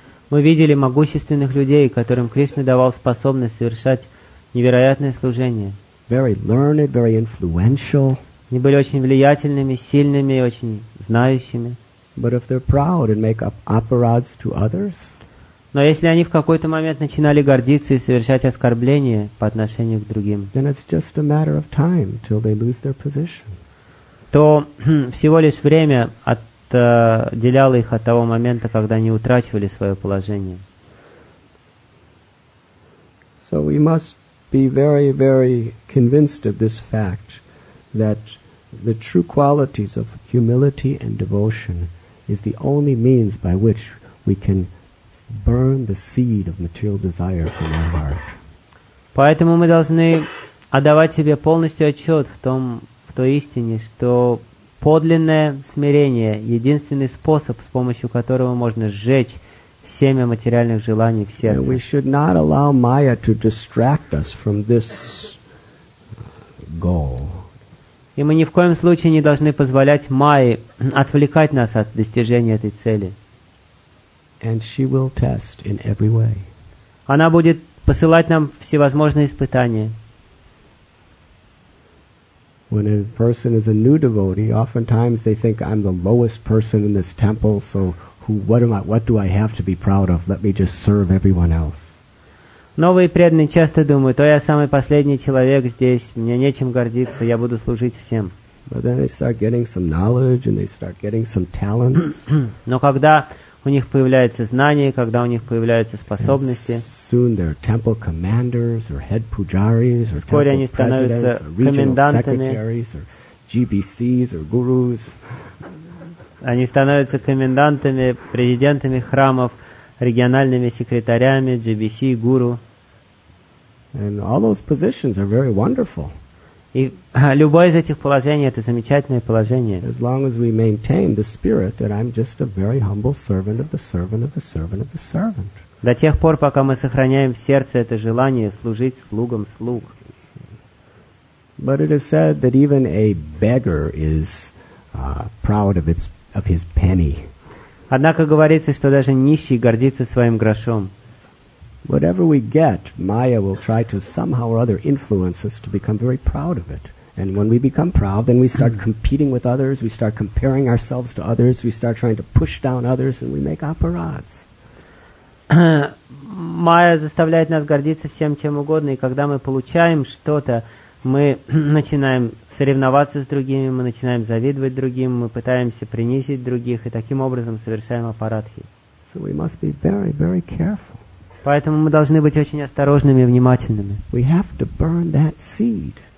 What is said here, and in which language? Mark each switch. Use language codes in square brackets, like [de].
[ru] Мы видели могущественных людей, которым Кришна давал способность совершать невероятное служение. [en] Very learned, very influential. [ru] Они были очень влиятельными, сильными и очень знающими. [en] But if they're proud and make up apparatus to others, [ru] но если они в какой-то момент начинали гордиться и совершать оскорбления по отношению к другим, [en] then it's just a matter of time till they lose their position. [ru] То всего лишь время от отделяло их от того момента, когда они утрачивали свое положение. [en] So we must be very, very convinced of this fact that the true qualities of humility and devotion is the only means by which we can burn the seed of material desire from our heart. [ru] Поэтому мы должны отдавать себе полностью отчет в той истине, что подлинное смирение – единственный способ, с помощью которого можно сжечь семя материальных желаний в сердце. [en] We should not allow Maya to distract us from this goal. [ru] И мы ни в коем случае не должны позволять Майе отвлекать нас от достижения этой цели. [en] And she will test in every way. [ru] Она будет посылать нам всевозможные испытания. [en] When a person is a new devotee, oftentimes they think, I'm the lowest person in this temple, so what do I have to be proud of? Let me just serve everyone else. [ru] Новые преданные часто думают, я самый последний человек здесь, мне нечем гордиться, я буду служить всем. [en] But then they start getting some knowledge and they start getting some talents. [ru] Но когда у них появляется знание, когда у них появляются способности, [en] soon they're temple commanders or head pujaris or temple presidents or regional secretaries or GBCs or gurus. [ru] Они становятся комендантами, президентами храмов, региональными секретарями, GBC, гуру. [en] And all those positions are very wonderful. [ru] И любое из этих положений — это замечательное положение. [en] As long as we maintain the spirit that I'm just a very humble servant of the servant of the servant of the servant. [ru] До тех пор, пока мы сохраняем в сердце это желание служить слугам слуг. [en] But it is said that even a beggar is proud of his penny. [ru] Однако говорится, что даже нищий гордится своим грошом. [en] Whatever we get, Maya will try to somehow or other influence us to become very proud of it. And when we become proud, then we start competing with others, we start comparing ourselves to others, we start trying to push down others, and we make aparads. [ru] Maya заставляет нас гордиться всем, чем угодно, и когда мы получаем что-то, мы начинаем соревноваться с другими, мы начинаем завидовать другим, мы пытаемся принизить других, и таким образом совершаем апарадхи. [en] So we must be very, very careful. [ru] Поэтому мы должны быть очень осторожными и внимательными. [en] We have to burn that seed.